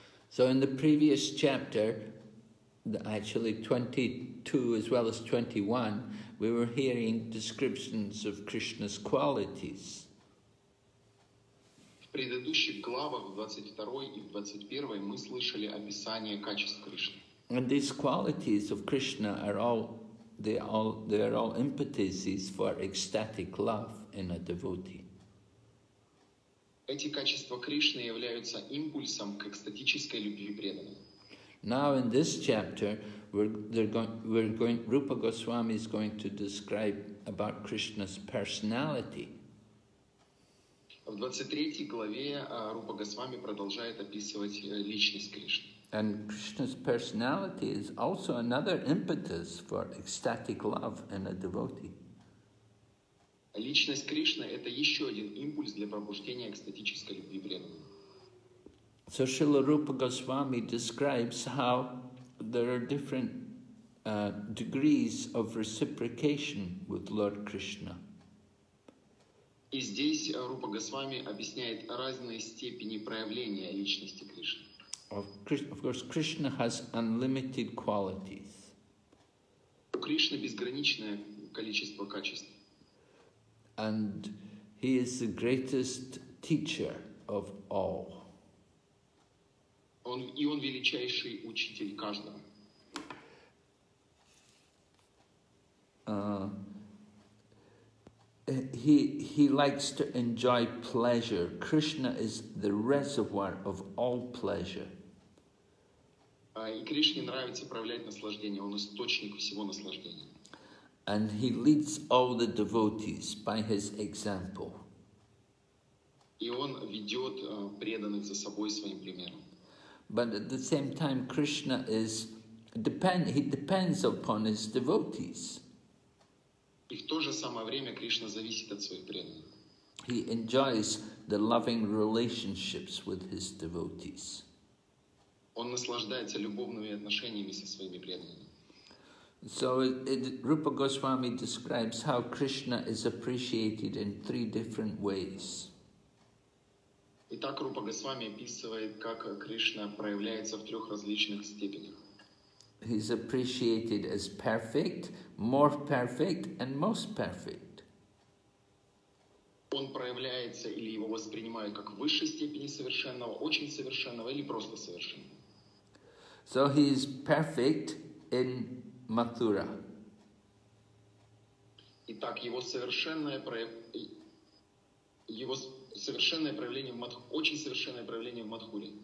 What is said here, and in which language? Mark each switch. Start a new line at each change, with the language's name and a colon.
English: So in the previous chapter, actually 22 as well as 21, we were hearing descriptions of Krishna's qualities.
Russian: В предыдущих главах, в 22 и в 21, мы слышали описание качеств Кришны.
English: And these qualities of Krishna are all They are all impetuses for ecstatic love in a devotee.
Russian: Эти качества Кришны являются импульсом к экстатической любви преданного.
English: Now in this chapter, Rupa Goswami is going to describe about Krishna's personality.
Russian: В 23 главе Рупа Госвами продолжает описывать личность Кришны.
English: And Krishna's personality is also another impetus for ecstatic love in a devotee.
Russian: Личность Кришны – это еще один импульс для пробуждения экстатической любви преданного.
English: So Srila Rupa Goswami describes how there are different degrees of reciprocation with Lord Krishna.
Russian: И здесь Рупа Госвами объясняет разные степени проявления личности Кришны.
English: Of course, Krishna has unlimited qualities.
Russian: У Кришны безграничное количество качеств.
English: And he is the greatest teacher of all.
Russian: Он величайший учитель каждого.
English: He likes to enjoy pleasure. Krishna is the reservoir of all pleasure.
Russian: И Кришне нравится проявлять наслаждение. Он источник всего наслаждения.
English: And he leads all the devotees by his example.
Russian: И он ведет преданных за собой своим примером.
English: But at the same time, Krishna is depends upon his devotees.
Russian: И в то же самое время Кришна зависит от своих преданных.
English: He enjoys the loving relationships with his devotees.
Russian: Он наслаждается любовными отношениями со своими преданными.
English: So Rupa Goswami describes how Krishna is appreciated in three different ways.
Russian: Итак, Рупа Госвами описывает, как Кришна проявляется в трех различных степенях.
English: He's appreciated as perfect, more perfect, and most perfect.
Russian: Он проявляется или его воспринимают как в высшей степени совершенного, очень совершенного или просто совершенного.
English: So he is perfect in Mathura.
Russian: Итак, его совершенное проявление в Мадхуре, очень совершенное проявление в Мадхуре.